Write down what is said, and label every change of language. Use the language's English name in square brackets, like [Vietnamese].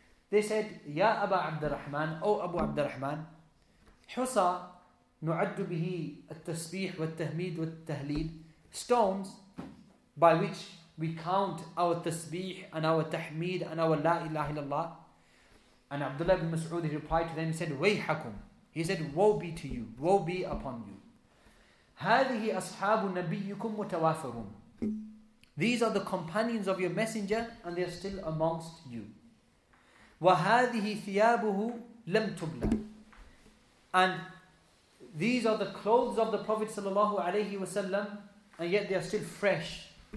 [English] They said, [Arabic] Ya Aba Abdurrahman, [English] O Abu Abdurrahman, [Arabic] Husa nu'addu bihi at-tasbih wa-tahmid wa-tahleel, [English] stones by which we count our tasbih and our tahmid and our la ilaha illallah. And Abdullah ibn Mas'ud, he replied to them, he said, Wayhakum. He said, woe be to you, woe be upon you. [Arabic] هذه أصحاب نبيكم متوافرون. [English] These are the companions of your messenger and they are still amongst you. [Arabic] وهذه ثيابه لم تبلى. [English] And these are the clothes of the Prophet sallallahu alayhi wa sallam, and yet they are still fresh.